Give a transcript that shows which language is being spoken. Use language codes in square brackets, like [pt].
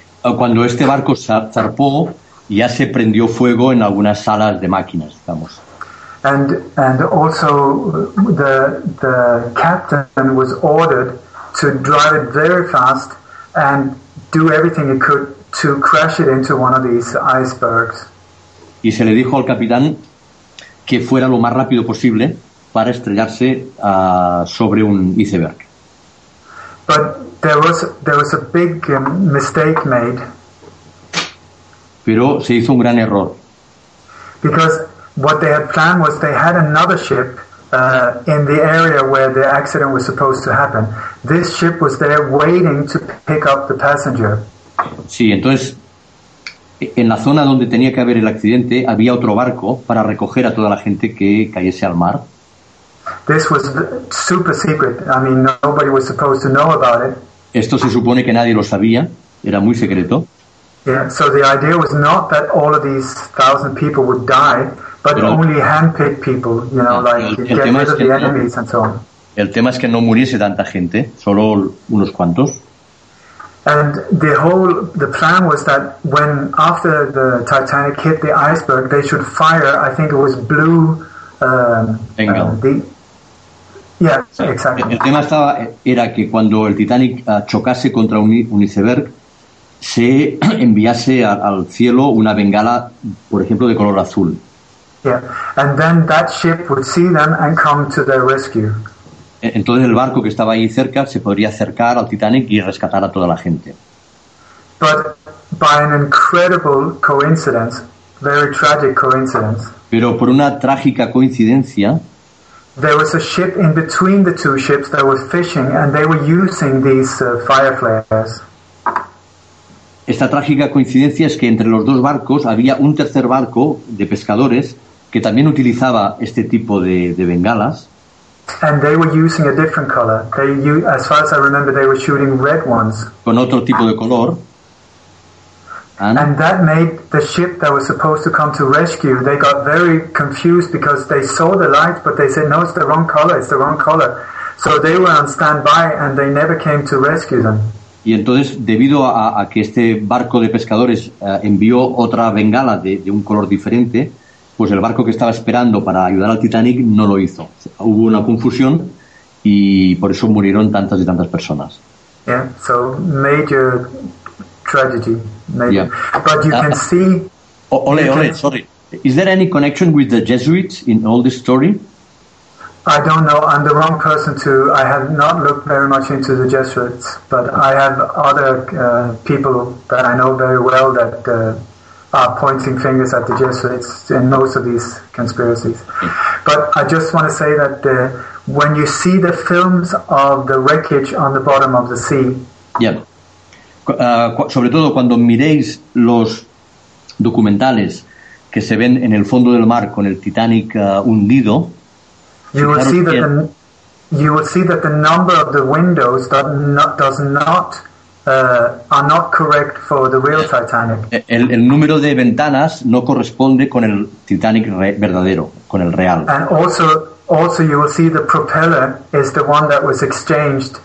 [es] Cuando este barco zarpó, ya se prendió fuego en algunas salas de máquinas, digamos. [en] And also the captain was ordered to drive it very fast and do everything he could to crash it into one of these icebergs. [es] Y se le dijo al capitán que fuera lo más rápido posible para estrellarse sobre un iceberg. [en] But there was a big mistake made. [es] Pero se hizo un gran error. [en] Because what they had planned was they had another ship in the area where the accident was supposed to happen. This ship was there waiting to pick up the passenger. [es] Sí, entonces en la zona donde tenía que haber el accidente había otro barco para recoger a toda la gente que cayese al mar. [en] This was super secret. I mean, nobody was supposed to know about it. [es] Esto se supone que nadie lo sabía, era muy secreto. [en] Yeah, so the idea was not that all of these thousand people would die, but pero, only handpicked people, you know, enemies and so on. [es] El tema es que no muriese tanta gente, solo unos cuantos. [en] And the plan was that when after the Titanic hit the iceberg, they should fire. I think it was blue. Bengal. Exactly. [es] El tema era que cuando el Titanic chocase contra un iceberg, se enviase al cielo una bengala, por ejemplo, de color azul. [en] Yeah, and then that ship would see them and come to their rescue. [es] Entonces el barco que estaba ahí cerca se podría acercar al Titanic y rescatar a toda la gente. [en] But by an incredible coincidence, very tragic coincidence. [es] Pero por una trágica coincidencia, [en] there was a ship in between the two ships that was fishing, and they were using these fire flares. [es] Esta trágica coincidencia es que entre los dos barcos había un tercer barco de pescadores que también utilizaba este tipo de bengalas. [en] And they were using a different color. They, as far as I remember, they were shooting red ones. [es] Con otro tipo de color. [en] And that made the ship that was supposed to come to rescue, they got very confused because they saw the light, but they said, no, it's the wrong color, it's the wrong color. So they were on standby and they never came to rescue them. [es] Y entonces, debido a que este barco de pescadores envió otra bengala de un color diferente, pues el barco que estaba esperando para ayudar al Titanic no lo hizo. Hubo una confusión y por eso murieron tantas y tantas personas. [en] Yeah, so major tragedy, maybe. Yeah. But you can see... Sorry. Is there any connection with the Jesuits in all this story? I don't know. I'm the wrong person to... I have not looked very much into the Jesuits, but I have other people that I know very well that are pointing fingers at the Jesuits in most of these conspiracies. But I just want to say that when you see the films of the wreckage on the bottom of the sea... Yeah. [es] Sobre todo cuando miréis los documentales que se ven en el fondo del mar con el Titanic hundido... [en] You will see that the number of the windows are not correct for the real Titanic. [es] El número de ventanas no corresponde con el Titanic verdadero, con el real. [en] And also you will see the propeller is the one that was exchanged.